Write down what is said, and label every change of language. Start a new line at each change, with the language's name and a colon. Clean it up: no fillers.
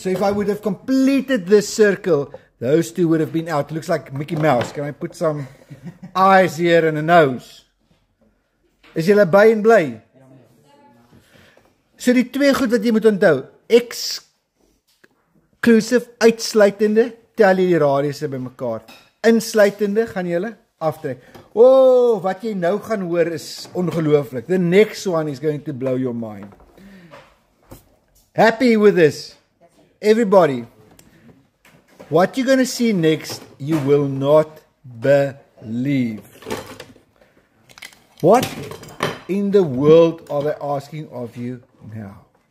English: So if I would have completed this circle, those two would have been out. It looks like Mickey Mouse. Can I put some eyes here and a nose?
Afrikaans: Is jy by en bly? So die twee goed wat jy moet onthou, exclusive, uitsluitende, tel jy die radiusse by mekaar. Insluitende, gaan jy hulle aftrek. Oh, wat jy nou gaan hoor is ongelooflik.
English: The next one is going to blow your mind. Happy with this? Everybody, what you're going to see next, you will not believe. What in the world are they asking of you now?